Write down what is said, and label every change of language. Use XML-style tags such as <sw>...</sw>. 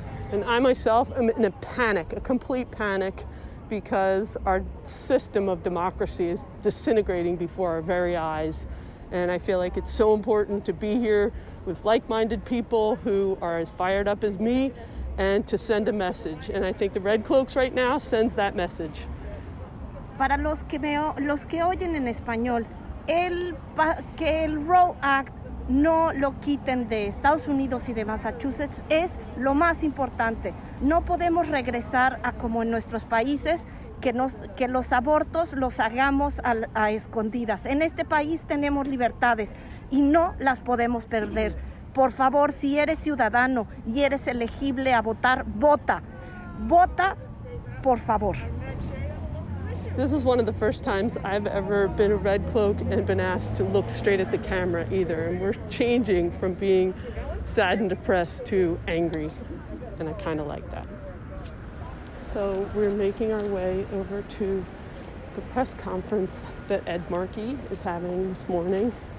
<en>And I myself am in a panic, a complete panic, because our system of democracy is disintegrating before our very eyes. And I feel like it's so important to be here with like-minded people who are as fired up as me and to send a message. And I think the Red Cloaks right now sends that message.</en> <es>Para los que oyen en español, que el Roe Act no lo quiten de Estados Unidos y de Massachusetts es lo más importante. No podemos regresar a como en nuestros países, que los abortos los hagamos a escondidas. En este país tenemos libertades y no las podemos perder. Por favor, si eres ciudadano y eres elegible a votar, vota. Vota, por favor.</es> <en>This is one of the first times I've ever been a Red Cloak and been asked to look straight at the camera either. And we're changing from being sad and depressed to angry. And I kind of like that. So we're making our way over to the press conference that Ed Markey is having this morning.</en>